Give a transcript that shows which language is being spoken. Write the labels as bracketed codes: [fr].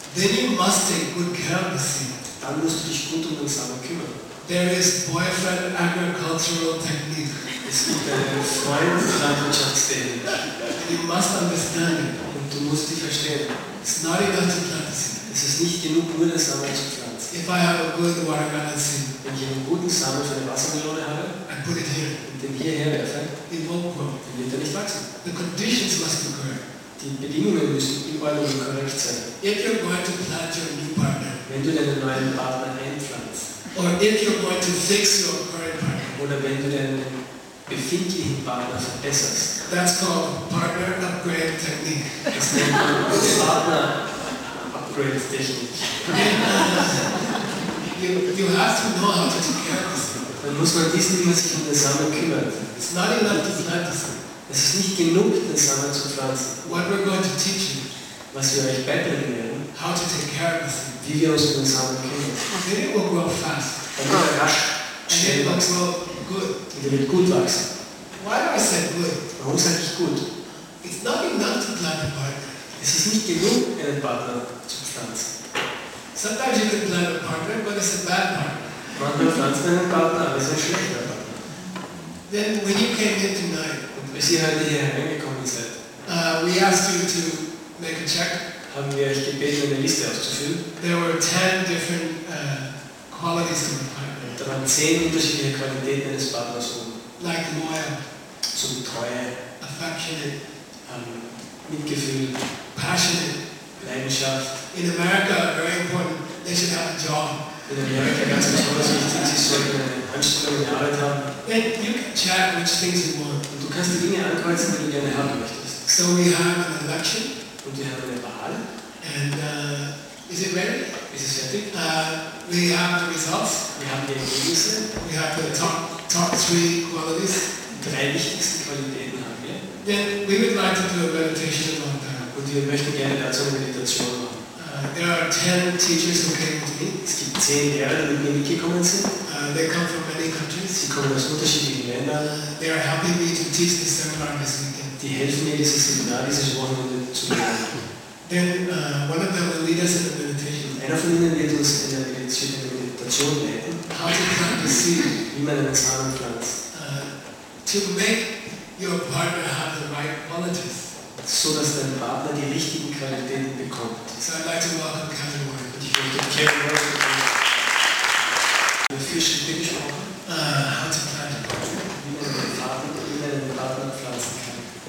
[en] Then you must take good care of the seed. [de] Dann musst du dich gut um den Samen kümmern. [en] There is boyfriend agricultural technique. [de] Es gibt eine Freund-Landwirtschaftstechnik. [en] you must understand it. [de] Und du musst dich verstehen. [en] It's not enough to plant a seed. [de] Es ist nicht genug, nur den Samen zu pflanzen. [en] If I have a good watermelon seed, [de] wenn ich einen guten Samen für eine Wassermelone habe, [en] I put it here. [de] Und den hierher werfe, [en] it won't grow. [de] Dann wird er nicht wachsen. [en] The conditions must be correct. [de] Die Bedingungen müssen überall korrekt sein. [en] If you're going to plant your new partner, [de] wenn du deinen neuen Partner einpflanzt, [en] or if you're going to fix your current partner, [de] oder wenn du deinen befindlichen Partner verbesserst, [en] that's called partner upgrade technique. [de] Das nennt man Partner upgrade technique. [en] You have to know how to take care of this. [de] Dann muss man wissen, wie man sich um den Samen kümmert. [en] It's not enough to plant this. [de] Es ist nicht genug, den Samen zu pflanzen. [en] What we're going to teach you, [de] was wir euch beibringen werden, [en] how to take care of the [de] wie wir uns um den Samen kümmern. [en] Then it will grow fast. [de] Dann wird er rasch schnell wachsen. [en] Will good. [de] Und er wird gut wachsen. [en] Why do I say good? [de] Warum sage ich gut? [en] It's not enough to plant a partner. [de] Es ist nicht genug, einen Partner zu pflanzen. [en] Sometimes you can plant a partner, but it's a bad partner. [de] Manchmal pflanzt man einen Partner, aber es ist ein schlechter Partner. [en] Then when you came here tonight, [de] und bis ihr heute hier hereingekommen seid, [en] we asked you to make a check. [de] Haben wir euch gebeten, eine Liste auszufüllen. [en] There were 10 different qualities of a partner. [de] Da waren 10 unterschiedliche Qualitäten eines Partners um. [en] Like loyal. [de] Zum Treue. [en] Affectionate. [de] Mitgefühl. [en] Passionate. [de] Leidenschaft. [en] In America, very important, they should have a job. [de] In Amerika ganz besonders wichtig, sie sollten eine anstrengende Arbeit haben. [en] And you can check which things you want. [de] Und du kannst die Dinge ankreuzen, die du gerne haben möchtest. [en] So we have an election. [de] Und wir haben eine Wahl. [en] And is it ready? [de] Ist es fertig? [en] We have the results. [de] Wir haben die Ergebnisse. [en] We have the top three qualities. [de] Drei wichtigsten Qualitäten haben wir. [en] Then we would like to do a meditation about that. [de] Und wir möchten gerne dazu eine Meditation machen. [en] There are 10 teachers who came with me. [de] Es gibt 10 Lehrer, die mit mir gekommen sind. [en] They come from many countries. [de] Sie kommen aus unterschiedlichen Ländern. [en] They are helping me to teach this seminar this weekend. [de] Die helfen mir, dieses Seminar dieses Wochenende zu leiten. [en] Then one of them will lead us in a meditation. [de] Einer von ihnen wird uns in eine Meditation leiten. [en] How to plant the seed. [de] Wie man einen Samen pflanzt. [en] To make your partner have the right qualities. [de] So dass dein Partner die richtigen Qualitäten bekommt. [en] So I'd like to welcome Kevin Warren. [de] Und ich möchte Kevin Warren willkommen. Wir haben viel gesprochen. Wie man den Partner, wie man den Partner pflanzen kann.